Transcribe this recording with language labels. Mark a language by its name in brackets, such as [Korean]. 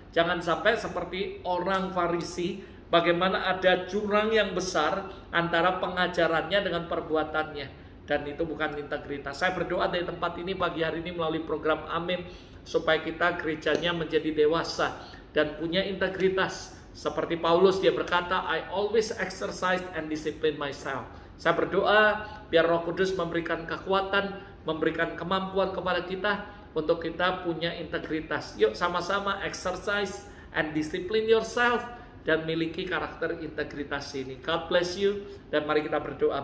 [Indonesian] Jangan sampai seperti orang Farisi, bagaimana ada jurang yang besar antara pengajarannya dengan perbuatannya. Dan itu bukan integritas. Saya berdoa dari tempat ini pagi hari ini melalui program Amin. Supaya kita gerejanya menjadi dewasa. Dan punya integritas. Seperti Paulus dia berkata, [English] I always exercise and discipline myself. [Indonesian] Saya berdoa biar Roh Kudus memberikan kekuatan. Memberikan kemampuan kepada kita. Untuk kita punya integritas. Yuk sama-sama [English] exercise and discipline yourself. [Indonesian] Dan miliki karakter integritas ini. [English] God bless you. [Indonesian] Dan mari kita berdoa.